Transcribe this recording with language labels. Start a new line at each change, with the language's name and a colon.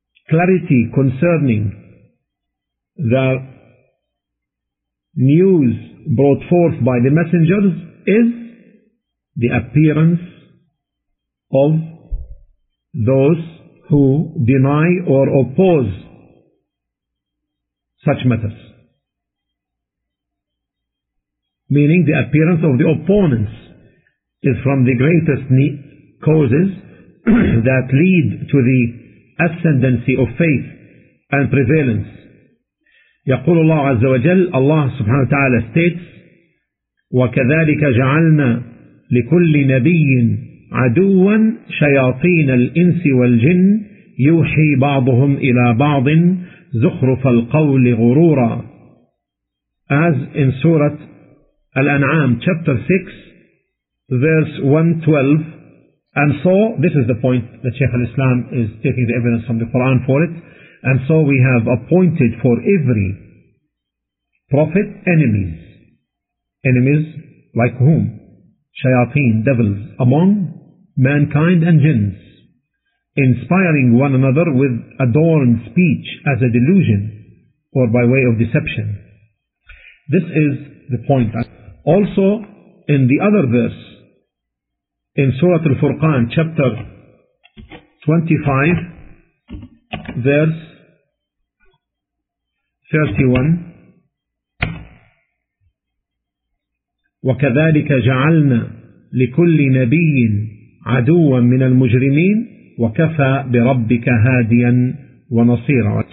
English: clarity concerning the news brought forth by the messengers, is the appearance of those who deny or oppose such matters. Meaning the appearance of the opponents is from the greatest causes that lead to the ascendancy of faith and prevalence.
Arabic: يقول الله عز وجل, الله سبحانه وتعالى states, وكذلك جعلنا لكل نبي عدوا شياطين الإنس والجن يوحي بعضهم إلى بعض زخرف القول غرورا.
English: As in Surah Al-An'am chapter 6 verse 112, and so this is the point that Shaykh al-Islam is taking the evidence from the Quran for it, and so we have appointed for every prophet enemies. Enemies like whom? Shayateen, devils, among mankind and jinns, inspiring one another with adorned speech as a delusion or by way of deception. This is the point. Also, in the other verse, in Surah Al-Furqan, chapter 25, verse 31,
Arabic: وَكَذَلِكَ جَعَلْنَا لِكُلِّ نَبِيٍّ عَدُوًّا مِنَ الْمُجْرِمِينَ وَكَفَى بِرَبِّكَ هَادِيًا وَنَصِيرًا.